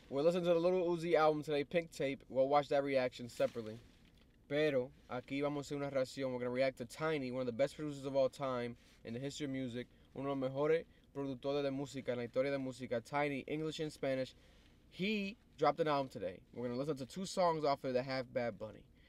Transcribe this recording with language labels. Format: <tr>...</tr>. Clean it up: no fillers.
<en>We're listening to the Little Uzi album today, Pink Tape. We'll watch that reaction separately.</en> <es>Pero aquí vamos a hacer una reacción.</es> <en>We're going to react to TAINY, one of the best producers of all time in the history of music.</en> <es>Uno de los mejores productores de música en la historia de música.</es> <en>TAINY, English and Spanish. He dropped an album today. We're going to listen to two songs off of the Half Bad Bunny.</en>